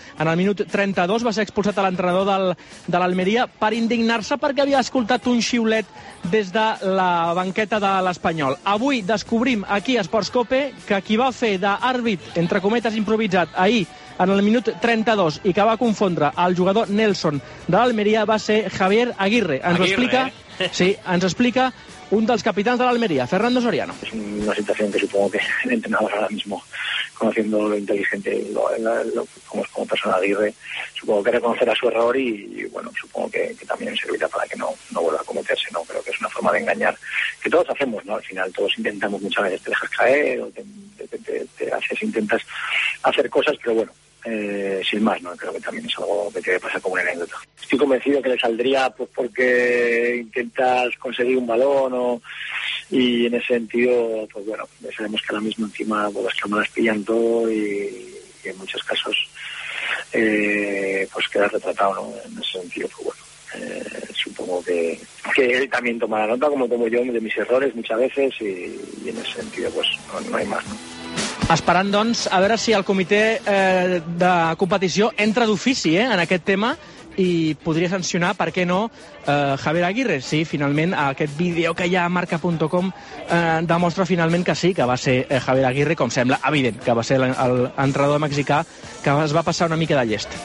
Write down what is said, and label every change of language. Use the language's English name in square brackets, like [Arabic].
[Catalan] En el minut 32 va ser expulsat a l'entrenador de l'Almeria per indignar-se perquè havia escoltat un xiulet des de la banqueta de l'Espanyol. Avui descobrim aquí a Esports Cope que qui va fer d'àrbit, entre cometes, improvisat ahir, en el minut 32, i que va confondre el jugador Nelson de l'Almeria, va ser Javier Aguirre. Ens explica un dels capitans de l'Almeria, Fernando Soriano. [Spanish] Es una situación que supongo que el entrenador ahora mismo, conociendo lo inteligente, como persona Aguirre, supongo que reconocerá su error y supongo que también servirá para que no vuelva a cometerse, ¿no? Creo que es una forma de engañar que todos hacemos, ¿no? Al final todos intentamos muchas veces, te dejas caer o intentas hacer cosas, pero bueno, sin más, ¿no? Creo que también es algo que te pasa como una anécdota. Estoy convencido que le saldría pues porque intentas conseguir un balón o y en ese sentido, pues bueno, ya sabemos que ahora mismo encima pues, las cámaras pillan todo y en muchos casos pues queda retratado, ¿no? En ese sentido, pues bueno, supongo que él también toma la nota, como tomo yo, de mis errores muchas veces y en ese sentido, pues no hay más, ¿no? [Catalan] Esperant, doncs, a veure si el comitè de competició entra d'ofici en aquest tema i podria sancionar, per què no, Javier Aguirre. Sí, finalment, aquest vídeo que hi ha a marca.com demostra finalment que sí, que va ser Javier Aguirre, com sembla evident, que va ser l'entrenador mexicà que es va passar una mica de llest.